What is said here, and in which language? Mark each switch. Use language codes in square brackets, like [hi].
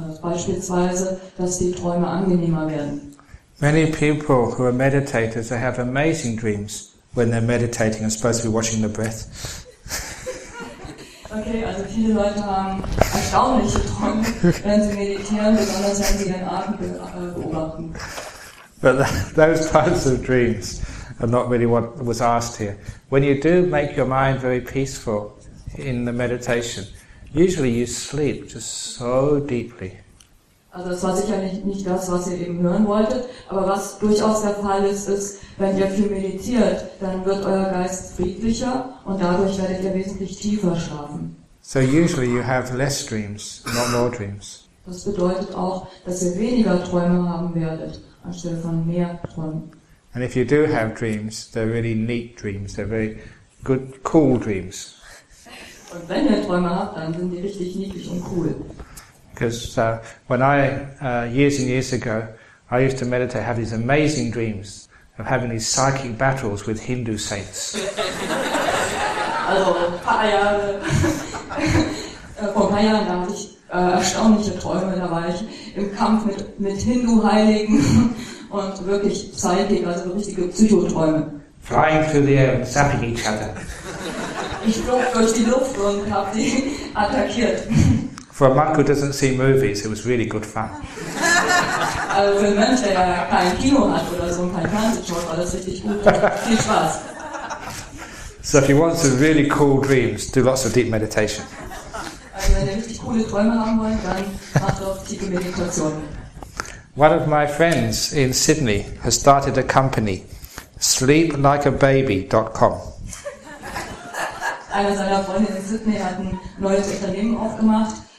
[de] Beispielsweise, dass die Träume angenehmer werden. [en] Many people who are meditators, they have amazing dreams when they're meditating and supposed to be watching the breath. [de] Okay, also viele Leute haben erstaunliche Träume, wenn sie meditieren, besonders wenn sie den Atem beobachten. [en] But those types of dreams are not really what was asked here. When you do make your mind very peaceful in the meditation, usually you sleep just so deeply. [de] Also das war sicherlich nicht das, was ihr eben hören wolltet, aber was durchaus der Fall ist, ist, wenn ihr viel meditiert, dann wird euer Geist friedlicher und dadurch werdet ihr wesentlich tiefer schlafen. [en] So usually you have less dreams, not more dreams. [de] Das bedeutet auch, dass ihr weniger Träume haben werdet, anstelle von mehr Träumen. [en] And if you do have dreams, they're really neat dreams, they're very good, cool dreams. [de] Und wenn ihr Träume habt, dann sind die richtig niedlich und cool. [en] Because when I, years and years ago, I used to meditate, have these amazing dreams of having these psychic battles with Hindu saints. [de] Also, vor ein paar Jahren da hatte ich erstaunliche Träume, da war ich im Kampf mit Hindu-Heiligen und wirklich psychic, also richtige Psychoträume. [en] Flying through the air and zapping each other. [de] Ich flog durch die Luft und habe die attackiert. [en] For a monk who doesn't see movies, it was really good fun. [de] Also für einen Mensch, der ja kein Kino hat oder so, kein Fernsehshow, war das richtig gut. Viel Spaß. [en] So if you want some really cool dreams, do lots of deep meditation. [de] Also wenn ihr richtig coole Träume haben wollt, dann macht doch tiefe Meditation. [en] One of my friends in Sydney has started a company, sleeplikeababy.com. [de] Einer seiner Freunde in Sydney hat ein neues Unternehmen aufgemacht.